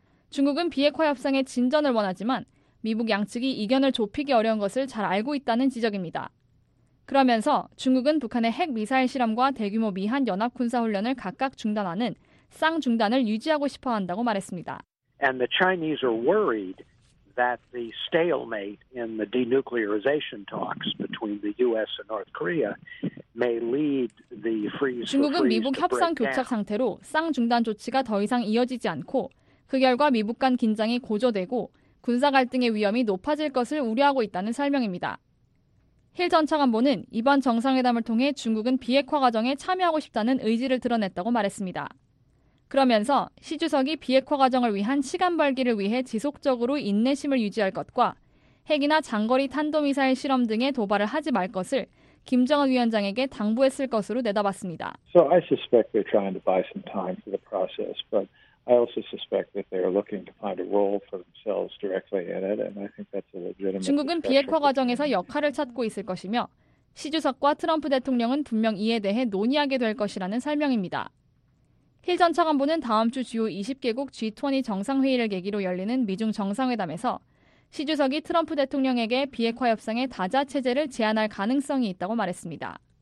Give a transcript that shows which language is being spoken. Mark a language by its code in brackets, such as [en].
[ko] 중국은 비핵화 협상의 진전을 원하지만 미국 양측이 이견을 좁히기 어려운 것을 잘 알고 있다는 지적입니다. 그러면서 중국은 북한의 핵미사일 실험과 대규모 미한 연합군사훈련을 각각 중단하는 쌍중단을 유지하고 싶어 한다고 말했습니다. [en] And the Chinese are worried that the stalemate in the denuclearization talks between the U.S. and North Korea may lead the freeze. [ko] 중국은 미국 협상 교착 상태로 쌍중단 조치가 더 이상 이어지지 않고 그 결과 미북 간 긴장이 고조되고 군사 갈등의 위험이 높아질 것을 우려하고 있다는 설명입니다. 힐 전 차관보는 이번 정상회담을 통해 중국은 비핵화 과정에 참여하고 싶다는 의지를 드러냈다고 말했습니다. 그러면서 시 주석이 비핵화 과정을 위한 시간 벌기를 위해 지속적으로 인내심을 유지할 것과 핵이나 장거리 탄도미사일 실험 등의 도발을 하지 말 것을 김정은 위원장에게 당부했을 것으로 내다봤습니다. [en] So I suspect they're trying to buy some time for the process, but I also suspect that they are looking to find a role for themselves directly in it, and I think that's a legitimate. [ko] 중국은 비핵화 과정에서 역할을 찾고 있을 것이며 시 주석과 트럼프 대통령은 분명 이에 대해 논의하게 될 것이라는 설명입니다. 힐 전 차관보는 다음 주 주요 20개국 G20 정상회의를 계기로 열리는 미중 정상회담에서 시 주석이 트럼프 대통령에게 비핵화 협상의 다자 체제를 제안할 가능성이 있다고 말했습니다.